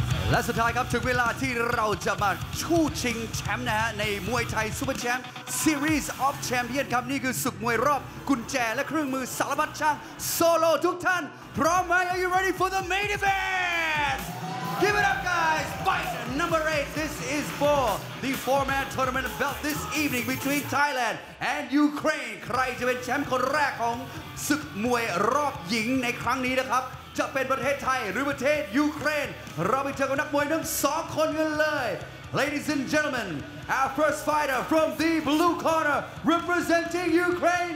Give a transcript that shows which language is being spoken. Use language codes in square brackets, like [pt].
[th] และสุดท้ายครับถึงเวลาที่เราจะมาชู้ชิงแชมป์นะฮะในมวยไทยซุปเปอร์แชมป์ซีรีส์ออฟแชมเปี้ยนครับนี่คือศึกมวยรอบกุญแจและเครื่องมือสารพัดช่างโซโลทุกท่านพร้อมไหม [en] Are you ready for the main event Give it up, guys. Fight number 8. This is for the four-man tournament belt this evening between Thailand and Ukraine. [th] ใครจะเป็นแชมป์คนแรกของศึกมวยรอบหญิงในครั้งนี้นะครับจะเป็นประเทศไทยหรือประเทศยูเครนเราไปเจอกับนักมวยทั้ง2คนกันเลย [en] Ladies and gentlemen, our first fighter from the blue corner representing Ukraine.